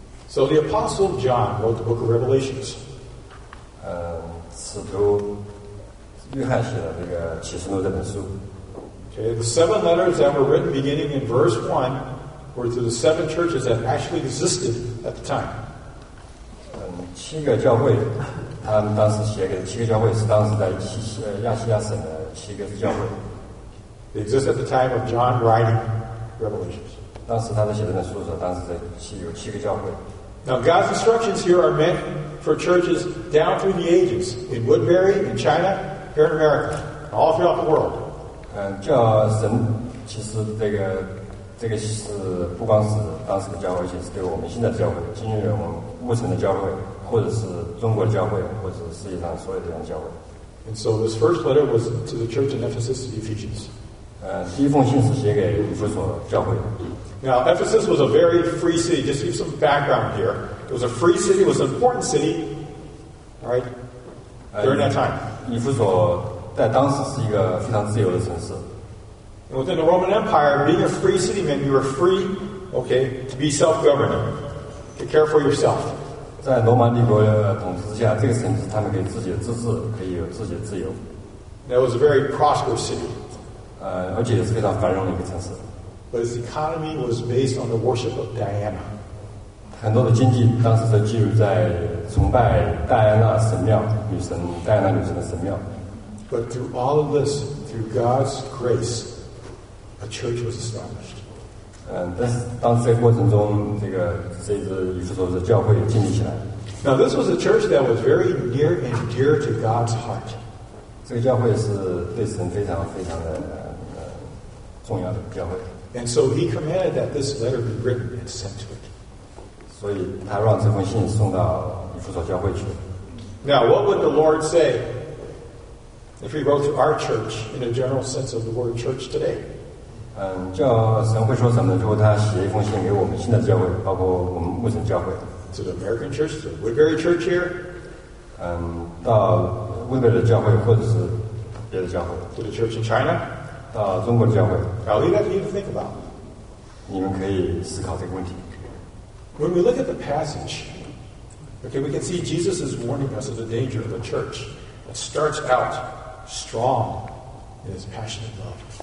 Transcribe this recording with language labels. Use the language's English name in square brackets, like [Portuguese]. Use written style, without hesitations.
[English] So the Apostle John wrote the book of Revelations. [Chinese] 使徒约翰写了这个启示录这本书。 [English] Okay, the seven letters that were written beginning in verse 1 were to the seven churches that actually existed at the time. [Chinese] 七个教会，他们当时写给的七个教会是当时在亚细亚省的七个教会。 [English] They exist at the time of John writing Revelations. [Chinese] 当时他在写这本书的时候，当时在有七个教会。 [English] Now God's instructions here are meant for churches down through the ages in Woodbury, in China, here in America, all throughout the world. [Chinese] 叫神其实这个是不光是当时的教会，也是对我们现在的教会，今日我们目前的教会，或者是中国的教会，或者是世界上所有地方的教会。 [English] And so this first letter was to the church in Ephesus, Ephesians. [Chinese] 第一封信是写给以弗所教会。 [English] Now, Ephesus was a very free city. Just to give some background here. It was a free city. It was an important city, right, during that time. [Chinese] 以弗所在当时是一个非常自由的城市。 [English] And within the Roman Empire, being a free city meant you were free, okay, to be self-governing, to care for yourself. [Chinese] 在罗马帝国的统治下，这个城市他们可以自己自治，可以有自己的自由。 [English] It was a very prosperous city. [Chinese] 而且也是非常繁荣的一个城市。 [English] But its economy was based on the worship of Diana. [Chinese] 很多的经济当时都基于在崇拜戴安娜神庙女神，戴安娜女神的神庙。 [English] But through all of this, through God's grace, a church was established. [Chinese] 但是当时这个过程中，这个这支以弗所的教会建立起来。 [English] Now this was a church that was very near and dear to God's heart. [Chinese] 这个教会是对神非常非常的重要的教会。 [English] And so he commanded that this letter be written and sent to it. [Chinese] 所以他让这封信送到以弗所教会去。 [English] Now, what would the Lord say if he wrote to our church in a general sense of the word church today? [Chinese] 叫神会说什么？如果他写一封信给我们现在的教会，包括我们目前教会 [English] ，to the American church, to Woodbury Church here? [Chinese] 到 Woodbury 的教会，或者是别的教会 [English] ，to the church in China? [Chinese] 到中国的教会。 [English] I'll leave that for you to think about. [Chinese] 你们可以思考这个问题。 [English] When we look at the passage, Okay, we can see Jesus is warning us of the danger of the church that starts out strong in its passionate love.